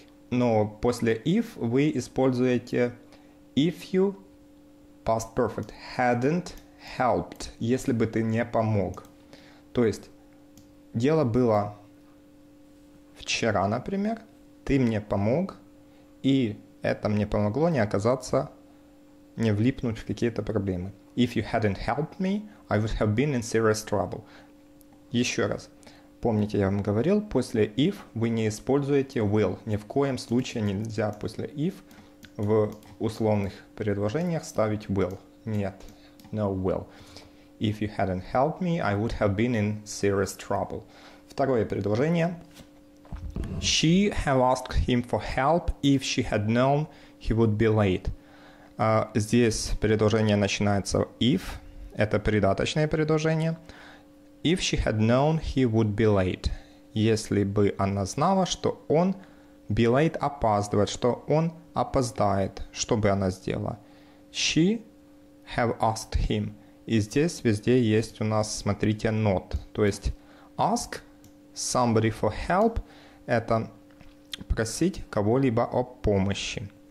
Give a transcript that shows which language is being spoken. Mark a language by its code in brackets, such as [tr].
[ru] Но после if вы используете [en] if you, [ru] past perfect, [en] hadn't helped, [ru] если бы ты не помог. То есть дело было вчера, например, ты мне помог, и это мне помогло не оказаться, не влипнуть в какие-то проблемы. [en] If you hadn't helped me, I would have been in serious trouble. [ru] Еще раз, помните, я вам говорил, после if вы не используете will. Ни в коем случае нельзя после if в условных предложениях ставить will. Нет, [en] no will. If you hadn't helped me, I would have been in serious trouble. [ru] Второе предложение. [en] She have asked him for help if she had known he would be late. [ru] Здесь предложение начинается if. Это придаточное предложение. [en] If she had known he would be late. [ru] Если бы она знала, что он [en] be late [ru] опаздывает, что он опоздает, что бы она сделала? [en] She have asked him. [ru] И здесь везде есть у нас, смотрите, not. То есть [en] ask somebody for help [ru] – это просить кого-либо о помощи.